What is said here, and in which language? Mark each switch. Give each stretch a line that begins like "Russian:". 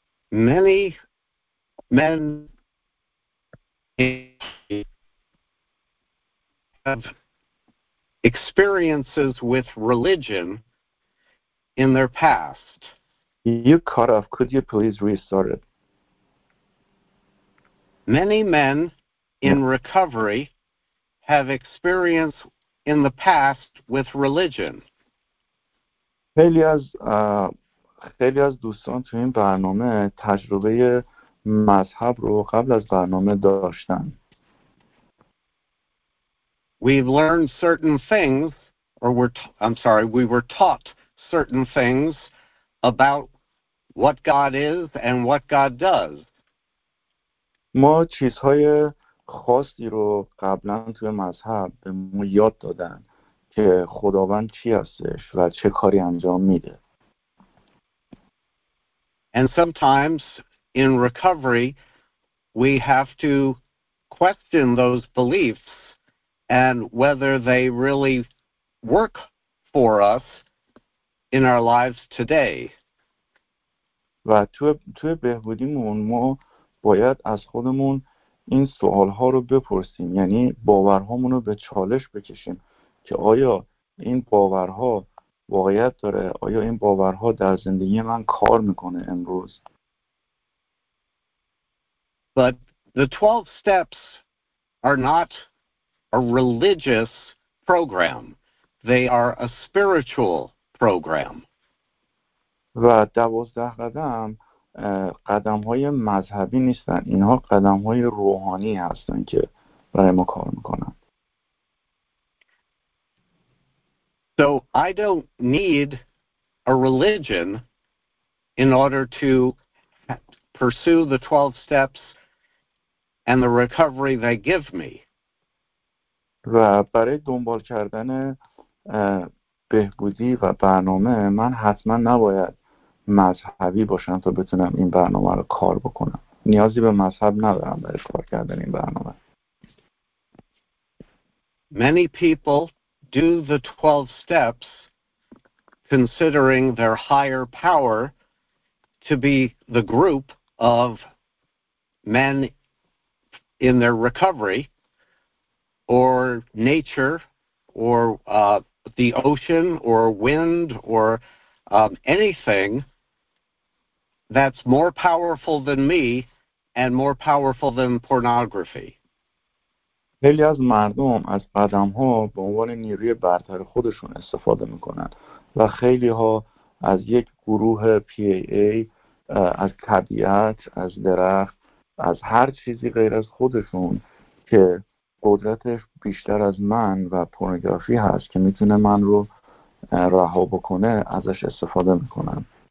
English: Many men have experiences with religion in their past. You cut off. Could you please restart it? Many men in recovery have experience in the past with religion.
Persian: خیلی از دوستان تو این برنامه تجربه مذهب رو قبل از برنامه داشتن.
English: We've learned certain things, or we were taught certain things about what God is and what God does.
Persian: ما چیزهای خاصی رو قبلا توی مذهب به ما یاد دادن که خداوند چی هستش و چه کاری انجام میده.
English: And sometimes in recovery, we have to question those beliefs and whether they really work for us in our lives today.
Persian: و تو بهبودیمون ما باید از خودمون این سوال ها رو بپرسیم، یعنی باورهامون رو به چالش بکشیم که آیا این باورها واقعیت داره، آیا این باورها در زندگی من کار میکنه امروز.
English: But the 12 steps are not a religious program. They are a spiritual program.
Persian: و 12 قدم قدم های مذهبی نیستن، اینها قدم های روحانی هستن که برای ما کار میکنن.
English: So I don't need a religion in order to pursue the 12 steps and the recovery they give me.
Persian: و برای دنبال کردن بهبودی و برنامه من حتما نباید مذهبی باشم تا بتونم این برنامه رو کار بکنم. نیازی به مذهب ندارم برای کار کردن این برنامه.
English: Many people do the 12 steps considering their higher power to be the group of men in their recovery, or nature, or the ocean, or wind, or anything that's more powerful than me and more powerful than pornography.
Persian: خیلی از مردم از قدم ها به عنوان نیروی برتر خودشون استفاده میکنند و خیلی ها از یک گروه PAA، از طبیعت، از درخت، از هر چیزی غیر از خودشون که قدرتش بیشتر از من و پورنوگرافی هست که میتونه من رو رها بکنه ازش استفاده میکنند.